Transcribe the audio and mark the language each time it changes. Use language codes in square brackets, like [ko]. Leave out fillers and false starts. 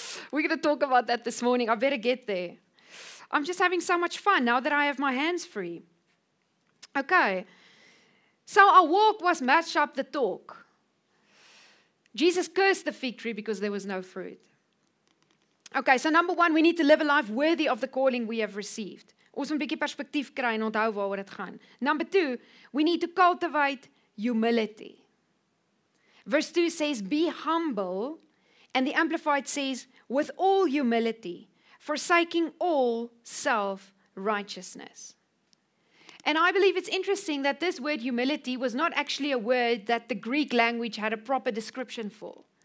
[en] We're going to talk about that this morning. I better get there. I'm just having so much fun now that I have my hands free. Okay. So our walk was match up the talk. Jesus cursed the fig tree because there was no fruit. Okay, so number one, we need to live a life worthy of the calling we have received. [af] Ons moet 'n bietjie perspektief kry en onthou waaroor dit gaan. [en] Number two, we need to cultivate humility. Verse 2 says, be humble. And the Amplified says, with all humility, forsaking all self-righteousness. And I believe it's interesting that this word humility was not actually a word that the Greek language had a proper description for.